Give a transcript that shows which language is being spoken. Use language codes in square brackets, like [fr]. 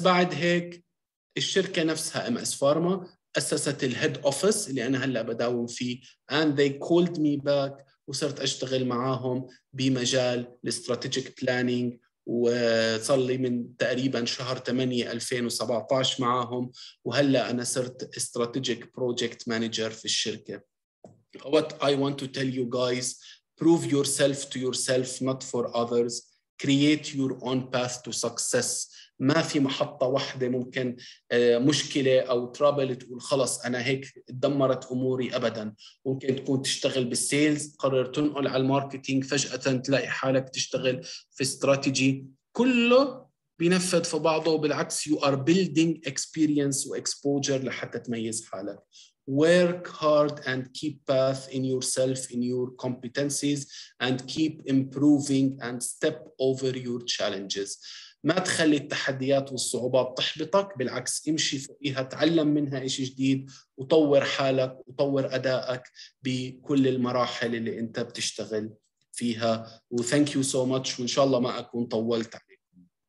[ar] بعد هيك الشركة نفسها MS Pharma أسست الهيد أوفيس اللي أنا هلأ بداوم فيه، [en] and they called me back [ar] وصرت أشتغل معاهم بمجال الاستراتيجيك بلانينج، وصار لي من تقريباً شهر 8/2017 معهم، وهلأ أنا صرت استراتيجيك بروجكت مانجر في الشركة. [en] What I want to tell you guys, prove yourself to yourself not for others, create your own path to success. [ar] ما في محطة واحدة ممكن مشكلة أو ترابل تقول خلص أنا هيك تدمرت أموري، أبداً. ممكن تكون تشتغل بالسيلز قرر تنقل على الماركتينج، فجأة تلاقي حالك تشتغل في استراتيجي، كله بينفذ في بعضه، وبالعكس [en] you are building experience [ar] و exposure لحتى تميز حالك. [en] Work hard and keep path in yourself, in your competencies, and keep improving and step over your challenges. [ar] ما تخلي التحديات والصعوبات تحبطك، بالعكس امشي فيها، تعلم منها إشي جديد، وطور حالك وطور أدائك بكل المراحل اللي أنت بتشتغل فيها. و [en] thank you so much، [ar] وإن شاء الله ما أكون طولت عليكم.